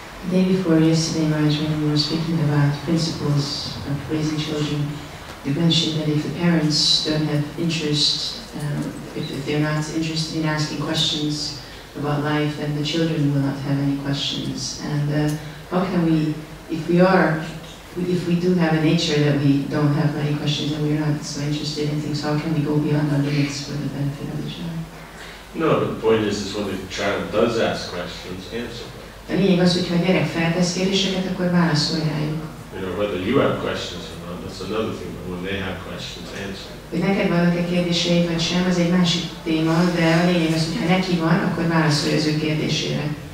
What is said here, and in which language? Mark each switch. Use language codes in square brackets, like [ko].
[en] Before yesterday, Maharaj, when we were speaking about principles of raising children, you mentioned that if the parents don't have interest, if they're not interested in asking questions about life, then the children will not have any questions. And how can we, if we do have a nature that we don't have many questions and we're not so interested in things, how can we go beyond our limits for the benefit of the child? No, but the point is when the child does ask questions, answer. [hu] A lényeg az, hogyha a gyerek feltesz kérdéseket, akkor válaszoljájuk. [en] You know, whether you have questions or not, that's another thing, but when they have questions, answer. [hu] Hogy neked vannak-e kérdéseid, vagy sem, az egy másik téma, de a lényeg az, hogyha neki van, akkor válaszolj az ő kérdésére.